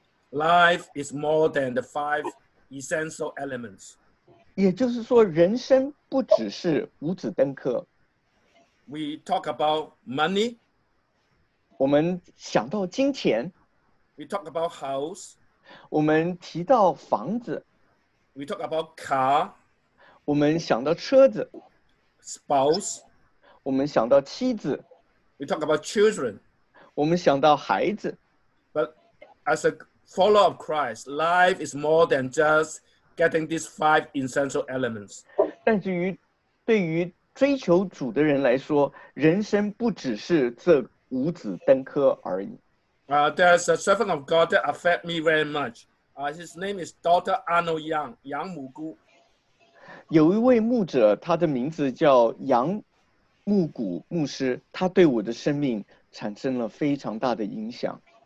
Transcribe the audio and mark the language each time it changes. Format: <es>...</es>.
<en>Life is more than the five essential elements.</en> <zh>也就是说人生不只是五子登科。</zh> <en>We talk about money.</en> <zh>我们想到金钱。</zh> <en>We talk about house.</en> <zh>我们提到房子。</zh> <en>We talk about car.</en> <zh>我们想到车子。</zh> <en>Spouse.</en> <zh>我们想到妻子。</zh> <en>We talk about children.</en> <zh>我们想到孩子。</zh> <en>But as a follower of Christ, life is more than just getting these five essential elements.</en> <zh>但是对于追求主的人来说，人生不只是这五子登科而已。</zh> <en>There's a servant of God that affect me very much. His name is Dr. Arnold Yang, 杨牧姑。</en> <zh>有一位牧者，他的名字叫杨牧谷牧师，他对我的生命产生了非常大的影响。</zh>